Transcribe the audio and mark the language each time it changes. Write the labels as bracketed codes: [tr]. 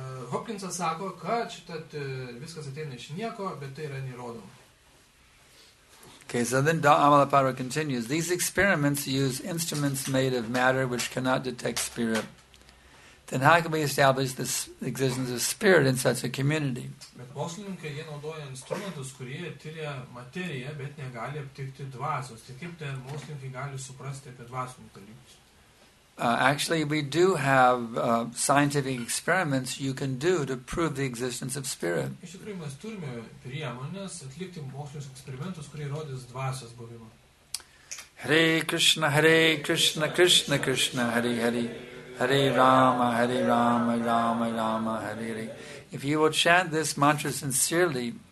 [lt] Hopkinsas sako, kad šitat viskas ateina iš nieko, bet tai yra nerodoma. [en] Okay, so then Amala Prabhu continues. These experiments use instruments made of matter which cannot detect spirit. Then how can we establish the existence of spirit in such a community? [lt] Bet mokslininkai, jie naudoja instrumentus, kurie tyria materiją, bet negali aptikti dvasios. Tai kaip ten mokslininkai gali suprasti apie dvasinius dalykus? [en] Actually, we do have scientific experiments you can do to prove the existence of spirit. [lt] Iš tikrųjų, mes turime priemonės atlikti mokslinius eksperimentus, kurie rodys dvasios buvimą. [sa] Hare Krishna, Krishna Krishna, Hare Hare, Hare Rama, Rama Rama, Hare Hare. [en] If you will chant this mantra sincerely,